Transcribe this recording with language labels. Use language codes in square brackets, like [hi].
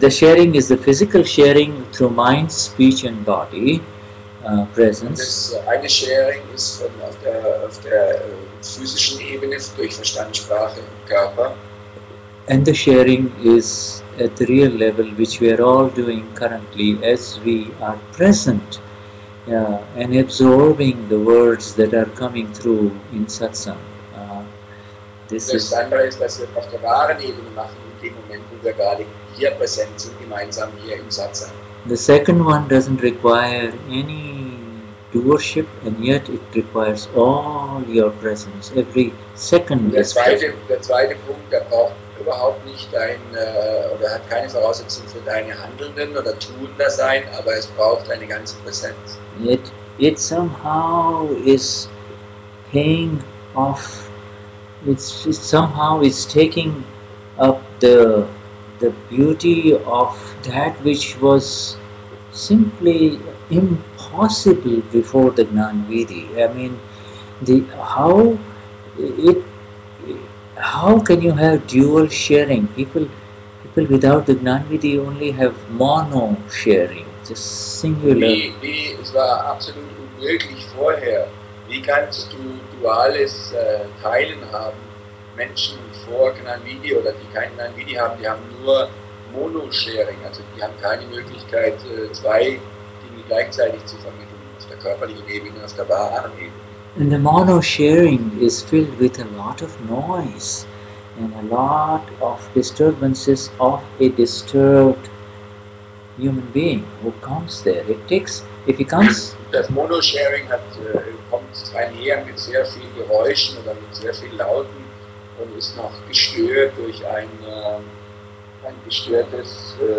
[en] The sharing is the physical sharing through mind, speech and body. presence. [de] Eine Sharing ist von auf der physischen Ebene durch Verstand, Sprache und Körper. [en] And the sharing is at the real level, which we are all doing currently as we are present and absorbing the words that are coming through in satsang. This is [de] andere ist, dass wir auf der wahren Ebene machen in dem Moment, wo wir gerade hier präsent sind, gemeinsam hier im Satsang. [en] The second one doesn't require any doership, and yet it requires all your presence, every second. [de] Der zweite Punkt, der braucht überhaupt nicht dein, oder hat keine Voraussetzung für deine Handelnden oder Tunender sein, aber es braucht deine ganze Präsenz. [en] It somehow is paying off, it somehow is taking up the beauty of that which was simply impossible before the Gnanvidhi. I mean, how can you have dual sharing? People without the Gnanvidhi only have mono sharing, just singular. [de] Es war absolut unmöglich vorher. Wie kannst du duales Teilen haben? Menschen vor Gnanvidhi oder die kein Gnanvidhi haben, die haben nur mono sharing, also die haben keine Möglichkeit, zwei Dinge gleichzeitig zu vermitteln, auf der körperlichen Ebene, auf der wahren Ebene. [en] And the mono sharing is filled with a lot of noise and a lot of disturbances of a disturbed human being who comes there. [de] Das mono sharing kommt einher mit sehr vielen Geräuschen oder mit sehr vielen Lauten und ist noch gestört durch ein gestörtes